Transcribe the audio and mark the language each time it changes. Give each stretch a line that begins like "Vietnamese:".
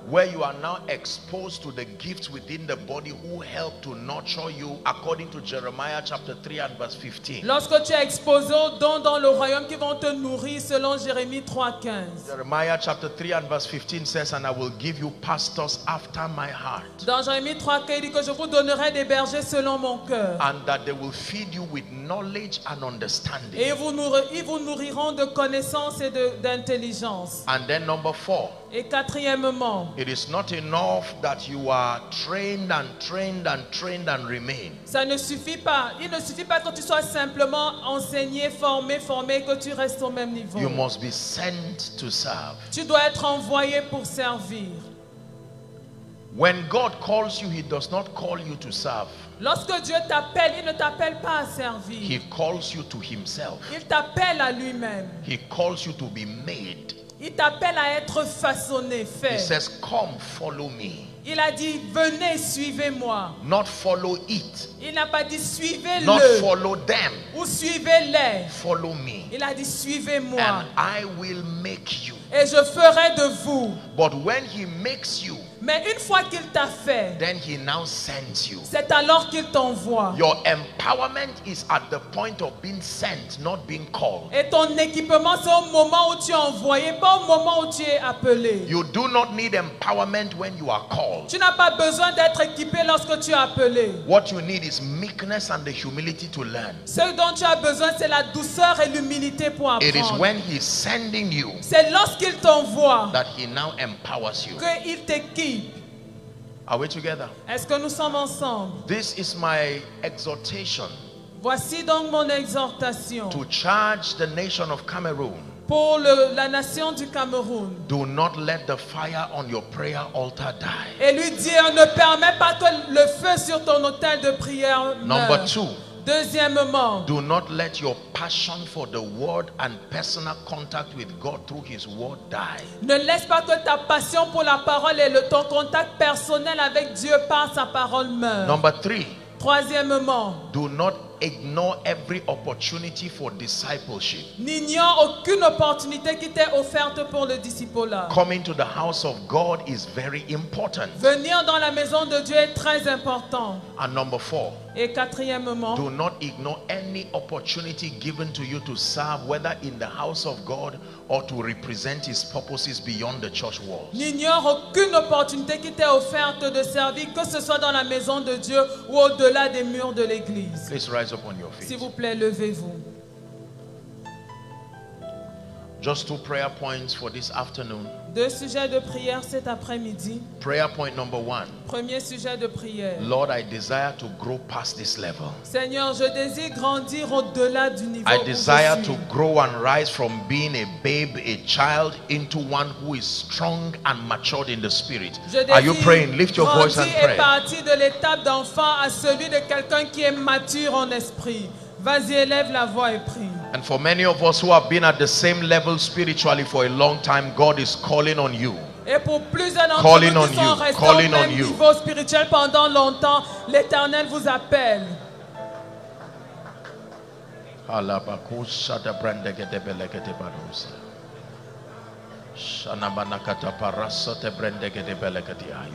English: Where you are now exposed to the gifts within the body who help to nurture you according to Jeremiah chapter 3 and verse 15.
French: Lorsque tu es exposé aux dons dans le royaume qui vont te nourrir selon Jérémie 3:15.
English: Jeremiah chapter 3 and verse 15 says, and I will give you pastors after my heart.
French: Dans Jérémie 3:15 il dit que je vous donnerai des bergers selon mon cœur.
English: And that they will feed you with knowledge and understanding.
French: Et ils vous nourriront de connaissance et d'intelligence.
English: And then number 4.
French: Et quatrièmement,
English: it is not enough that you are trained and trained and trained and remain.
French: Ça ne suffit pas. Il ne suffit pas que tu sois simplement enseigné, formé, que tu restes au même niveau.
English: You must be sent to serve.
French: Tu dois être envoyé pour servir.
English: When God calls you, he does not call you to serve.
French: Lorsque Dieu t'appelle, il ne t'appelle pas à servir.
English: He calls you to himself.
French: Il t'appelle à lui-même.
English: He calls you to be made.
French: Il t'appelle à être façonné, fait.
English: He says, come, follow me.
French: Il a dit, venez, suivez-moi.
English: Not follow it.
French: Il n'a pas dit, suivez-le.
English: Not follow them.
French: Ou suivez-les.
English: Follow me.
French: Il a dit, suivez-moi.
English: And I will make you.
French: Et je ferai de vous.
English: But when he makes you,
French: mais une fois qu'il t'a fait,
English: then he now sends you.
French: C'est alors qu'il t'envoie.
English: Your empowerment is at the point of being sent, not being called.
French: Et ton équipement c'est au moment où tu es envoyé, pas au moment où tu es appelé.
English: You do not need empowerment when you are called.
French: Tu n'as pas besoin d'être équipé lorsque tu es appelé.
English: What you need is meekness and the humility to learn.
French: Ce dont tu as besoin c'est la douceur et l'humilité pour apprendre.
English: It is when he is sending you.
French: C'est lorsqu'il t'envoie
English: that he now empowers you.
French: Que il t'équipe.
English: Are we together?
French: Est-ce que nous sommes ensemble?
English: This is my exhortation.
French: Voici donc mon exhortation.
English: To charge the nation of Cameroon.
French: Pour la nation du Cameroun.
English: Do not let the fire on your prayer altar die.
French: Et lui dire, ne permets pas que le feu sur ton autel de prière meure.
English: Number two.
French: Deuxièmement,
English: do not let your passion for the word and personal contact with God through his word die.
French: Ne laisse pas que ta passion pour la parole et ton contact personnel avec Dieu par sa parole meure.
English: Number three,
French: troisièmement,
English: do not ignore every opportunity for discipleship.
French: N'ignore aucune opportunité qui t'est offerte pour le discipleship.
English: Coming to the house of God is very important.
French: Venir dans la maison de Dieu est très important.
English: And number four,
French: et quatrièmement,
English: do not ignore any opportunity given to you to serve, whether in the house of God or to represent his purposes beyond the church walls.
French: N'ignore aucune opportunité qui t'est offerte de servir, que ce soit dans la maison de Dieu ou au-delà des murs de l'église.
English: Please rise up on your feet.
French: S'il vous plaît, levez-vous.
English: Just two prayer points for this afternoon.
French: Deux sujets de prière cet après-midi.
English: Prayer point number one.
French: Premier sujet de prière.
English: Lord, I desire to grow past this level.
French: Seigneur, je désire grandir au-delà du niveau.
English: I desire to grow and rise from being a babe, a child, into one who is strong and matured in the spirit. Are you praying? Lift your voice and pray.
French: Je désire grandir et partir de l'étape d'enfant à celui de quelqu'un qui est mature en esprit. Vas-y, élève la voix et prie.
English: And for many of us who have been at the same level spiritually for a long time, God is calling on you.
French: Et pour plusieurs d'entre vous qui sont restés au même niveau spirituel pendant longtemps, l'Éternel vous appelle.